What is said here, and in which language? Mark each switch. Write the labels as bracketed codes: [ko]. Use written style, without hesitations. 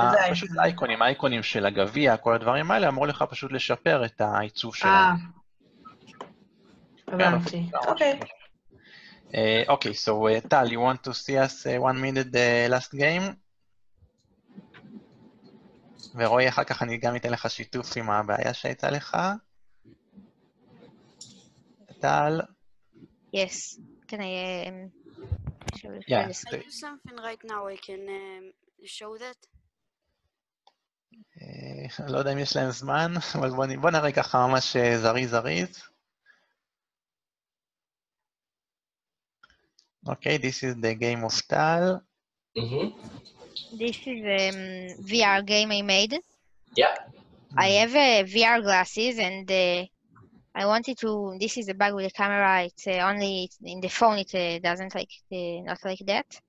[he] פשוט האייקונים, האייקונים של הגביע, כל הדברים האלה, אמרו לך פשוט לשפר את העיצוב שלהם. הבנתי, אוקיי. [en] אוקיי, אז טל, you want to see us one minute the last game? [he] ורואי, אחר כך אני גם אתן לך שיתוף עם הבעיה שהייתה לך. טל? [en] Yes, can I... Yes. I do something right now, I can... show that? [he] לא יודע אם יש להם זמן, אבל בוא נראה ככה ממש זריז. [en] Okay, this is the game of Tal. This is a VR game I made. Yeah. I have VR glasses and I wanted to, this is a bug with the camera, it's only in the phone, it doesn't like, not like that.